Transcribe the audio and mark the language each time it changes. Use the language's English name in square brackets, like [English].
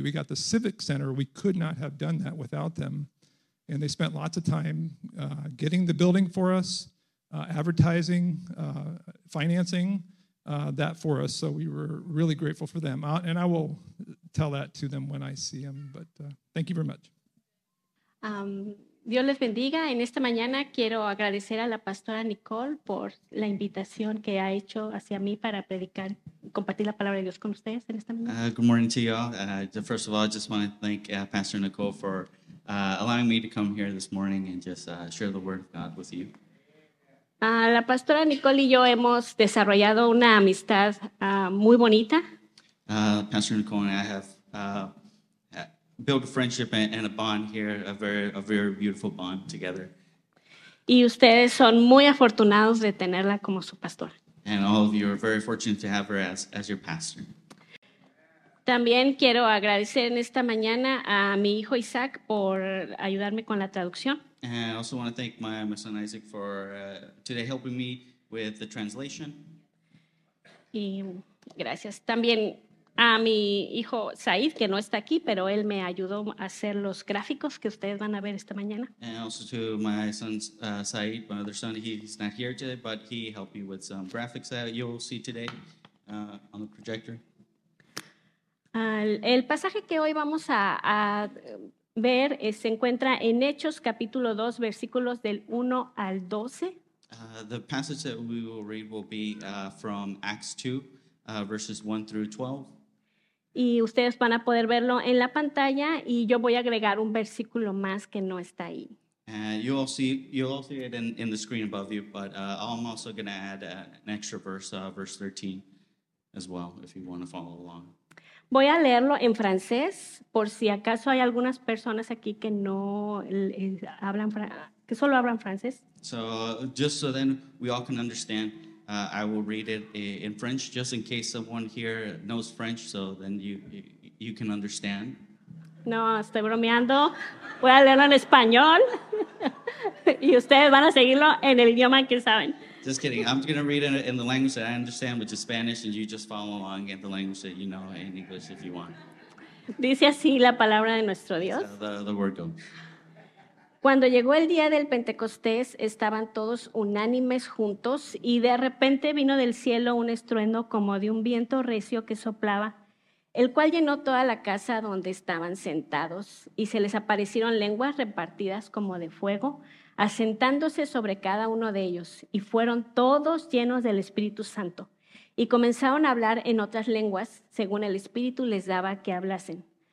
[English] We got the Civic Center. We could not have done that without them, and they spent lots of time getting the building for us, advertising, financing that for us, so we were really grateful for them, and I will tell that to them when I see them, but thank you very much. [Spanish] Dios les bendiga. En esta mañana quiero agradecer a la pastora Nicole por la invitación que ha hecho hacia mí para predicar y compartir la palabra de Dios con ustedes en esta mañana. [English] Good morning to y'all. First of all, I just want to thank Pastor Nicole for allowing me to come here this morning and just share the word of God with you. [Spanish] La pastora Nicole y yo hemos desarrollado una amistad muy bonita. [English] Pastor Nicole and I have built a friendship and a bond here, a very beautiful bond together. [Spanish] Y ustedes son muy afortunados de tenerla como su pastor. [English] And all of you are very fortunate to have her as your pastor. [Spanish] También quiero agradecer en esta mañana a mi hijo Isaac por ayudarme con la traducción. [English] And I also want to thank my son Isaac for today helping me with the translation. [Spanish] Y gracias. También a mi hijo Said, que no está aquí, pero él me ayudó a hacer los gráficos que ustedes van a ver esta mañana. [English] And also to my son Said, my other son, he's not here today, but he helped me with some graphics that you'll see today on the projector. [Spanish] El pasaje que hoy vamos a ver se encuentra en Hechos capítulo 2, versículos del 1 al 12. [English] The passage that we will read will be from Acts 2, verses 1 through 12. [Spanish] Y ustedes van a poder verlo en la pantalla y yo voy a agregar un versículo más que no está ahí. [English] You'll see it in the screen above you, but I'm also going to add an extra verse, verse 13 as well, if you want to follow along. [Spanish] Voy a leerlo en francés, por si acaso hay algunas personas aquí que no hablan, que solo hablan francés. [English] So just so then we all can understand. I will read it in French, just in case someone here knows French, so then you can understand. [Spanish] No, estoy bromeando. Voy a leerlo en español. Y ustedes van a seguirlo en el idioma que saben. [English] Just kidding. I'm going to read it in the language that I understand, which is Spanish, and you just follow along in the language that you know in English if you want. [Spanish] Dice así la palabra de nuestro Dios. [English] The word goes. [Spanish] Cuando llegó el día del Pentecostés, estaban todos unánimes juntos y de repente vino del cielo un estruendo como de un viento recio que soplaba, el cual llenó toda la casa donde estaban sentados y se les aparecieron lenguas repartidas como de fuego, asentándose sobre cada uno de ellos y fueron todos llenos del Espíritu Santo y comenzaron a hablar en otras lenguas según el Espíritu les daba que hablasen.